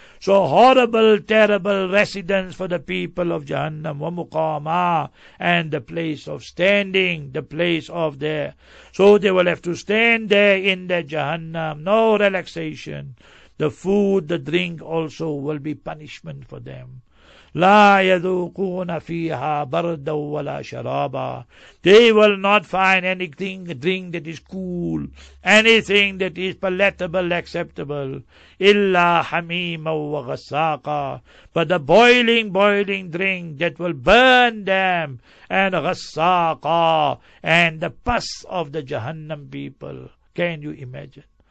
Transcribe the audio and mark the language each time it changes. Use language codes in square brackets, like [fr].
[en] So horrible, terrible residence for the people of Jahannam, [ar] وَمُقَامًا [en] And the place of standing, the place of there. So they will have to stand there in the Jahannam, no relaxation. The food, the drink also will be punishment for them. [ar] لا يذوقون فيها بردا ولا شرابا. [en] They will not find anything, a drink that is cool, anything that is palatable, acceptable. [ar] إلا حميما وغساقا. [en] But the boiling, boiling drink that will burn them. And غساقا. And the pus of the Jahannam people. Can you imagine?